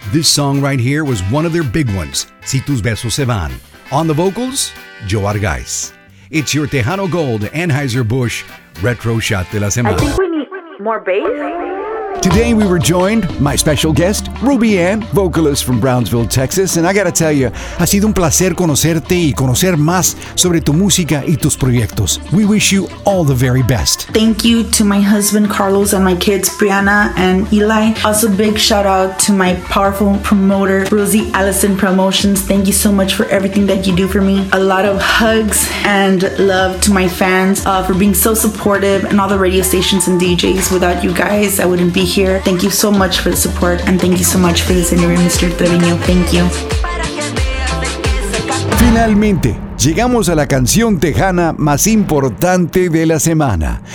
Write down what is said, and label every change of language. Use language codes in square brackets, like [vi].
[en] This song right here was one of their big ones, Si Tus Besos Se Van. On the vocals, Joe Argais. It's your Tejano Gold Anheuser-Busch Retro Shot de la Semana. I think we need more bass. Today we were joined, my special guest, Ruby Ann, vocalist from Brownsville, Texas. And I gotta tell you, [es] ha sido un placer conocerte y conocer más sobre tu música y tus proyectos. [en] We wish you all the very best. Thank you to my husband, Carlos, and my kids, Brianna and Eli. Also, big shout out to my powerful promoter, Rosie Allison Promotions. Thank you so much for everything that you do for me. A lot of hugs and love to my fans for being so supportive, and all the radio stations and DJs. Without you guys, I wouldn't be here. Thank you so much for the support, and thank you so much for this interview, Mr. Treviño. Thank you. [es] Finalmente, llegamos a la canción tejana más importante de la semana.